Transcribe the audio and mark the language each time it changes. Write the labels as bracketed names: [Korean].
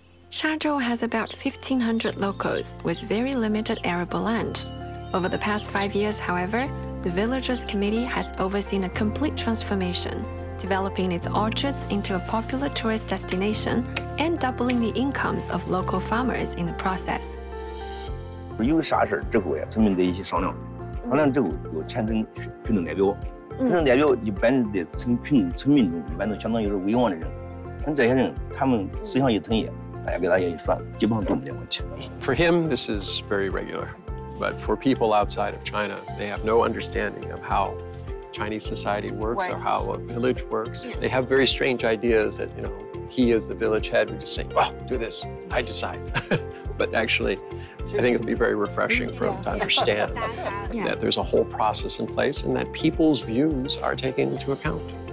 [English] Shazhou has about 1,500 locals with very limited arable land. Over the past 5 years, however, the villagers' committee has overseen a complete transformation. Developing its orchards into a popular tourist destination and doubling the incomes of local farmers in the process. [Chinese] 因为啥事儿之后呀，村民得一起商量，商量之后有全村群众代表，群众代表一般在村民中一般都相当于是威望的人，像这些人他们思想一统一，大家给他一算，基本上都没得问题。 [English] For him, this is very regular, but for people outside of China, they have no understanding of how. Chinese society works, or how a village works. Yeah. They have very strange ideas that, you know, he as the village head would just say, well, do this, I decide. But actually, I think it would be very refreshing for them to understand that there's a whole process in place and that people's views are taken into account.